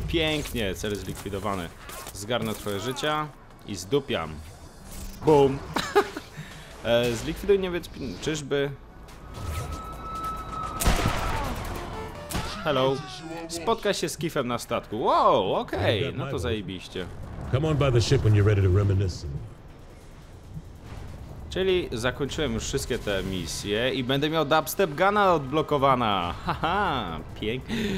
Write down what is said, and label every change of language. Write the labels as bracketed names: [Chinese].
[Polish] Pięknie, cel zlikwidowany. Zgarnę twoje życia i zdupiam. Boom. Zlikwiduj niebieski pin. Czyżby? [English] Hello. [Polish] Spotkaj się z Kifem na statku. Wow, okej, okay. No to zajebiście. [English] Come on by the ship when you're ready to reminisce. [Polish] Czyli zakończyłem już wszystkie te misje i będę miał dubstep gana odblokowana. Haha, pięknie.